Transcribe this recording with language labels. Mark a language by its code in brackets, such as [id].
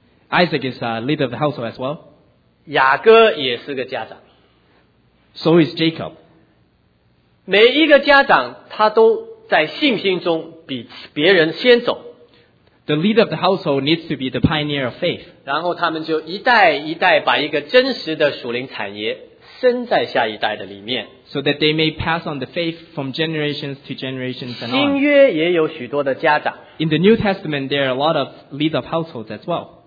[en] Isaac is a leader of the household as well. [zh] 雅各也是个家长。 [en] So is Jacob. [zh] 每一个家长他都在信心中比别人先走。 [en] The leader of the household needs to be the pioneer of faith. [zh] 然后他们就一代一代把一个真实的属灵产业生在下一代的里面。 [en] So that they may pass on the faith from generations to generations and on. [zh] 新约也有许多的家长。 [en] In the New Testament, there are a lot of leader of households as well.